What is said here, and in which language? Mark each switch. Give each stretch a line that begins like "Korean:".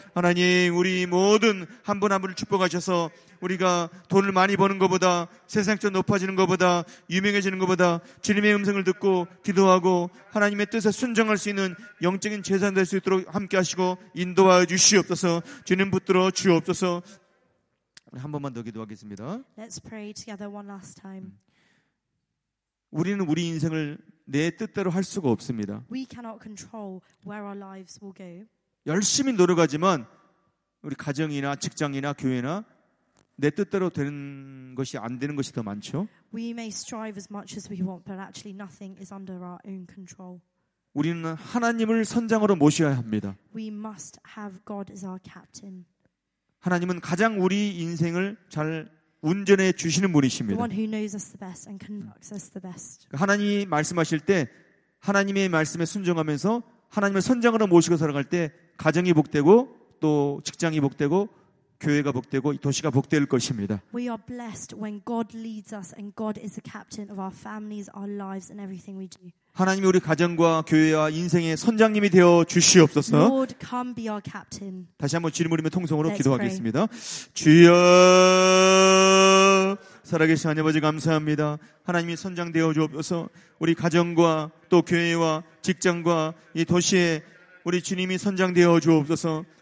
Korean: 하나님 우리 모든 한 분 한 분을 축복하셔서 우리가 돈을 많이 버는 것보다 세상적 높아지는 것보다 유명해지는 것보다 주님의 음성을 듣고 기도하고 하나님의 뜻에 순종할 수 있는 영적인 제사장 될 수 있도록 함께하시고 인도하여 주시옵소서. 주님 붙들어 주옵소서. 한 번만 더 기도하겠습니다.
English: Let's pray together one last time.
Korean: 우리는 우리 인생을 내 뜻대로 할 수가 없습니다.
English: We cannot control where our lives will go.
Korean: 열심히 노력하지만 우리 가정이나 직장이나 교회나 내 뜻대로 되는 것이 안 되는 것이 더 많죠.
English: We may strive as much as we want, but actually nothing is under our own control.
Korean: 우리는 하나님을 선장으로 모셔야 합니다.
English: We must have God as our captain.
Korean: 하나님은 가장 우리 인생을 잘 운전해 주시는 분이십니다.
English: The one who knows us the best and conducts us the best.
Korean: 하나님 말씀하실 때 하나님의 말씀에 순종하면서 하나님을 선장으로 모시고 살아갈 때 가정이 복되고 또 직장이 복되고 교회가 복되고 도시가 복될 것입니다.
English: We are blessed when God leads us and God is the captain of our families, our lives and everything we do.
Korean: 하나님이 우리 가정과 교회와 인생의 선장님이 되어 주시옵소서.
English: Lord, come be our captain.
Korean: 다시 한번 주님을 위해 통성으로
English: Let's
Korean: 기도하겠습니다.
English: Pray.
Korean: 주여 살아계신 하나님 아버지 감사합니다. 하나님이 선장되어 주옵소서. 우리 가정과 또 교회와 직장과 이 도시에 우리 주님이 선장되어 주옵소서.